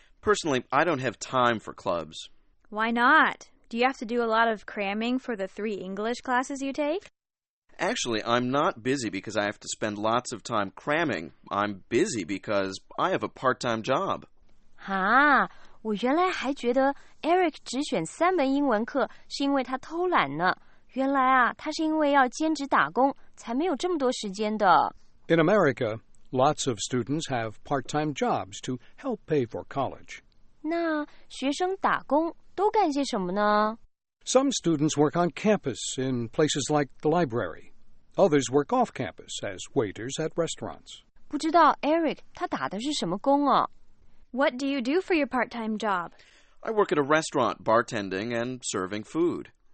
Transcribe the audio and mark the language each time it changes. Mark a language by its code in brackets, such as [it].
[en] Personally, I don't have time for clubs. Why not? Do you have to do a lot of cramming for the three English classes you take? Actually, I'm not busy because I have to spend lots of time cramming. I'm busy because I have a part-time job. Huh? [zh] 我原来还觉得 Eric 只选三门英文课是因为他偷懒呢。原来啊，他是因为要兼职打工，才没有这么多时间的。 [en] In America, lots of students have part-time jobs to help pay for college. [zh] 那学生打工都干些什么呢？ [en] Some students work on campus in places like the library. Others work off campus as waiters at restaurants. [zh] 不知道 Eric 他打的是什么工啊？ [en] What do you do for your part-time job? I work at a restaurant, bartending and serving food.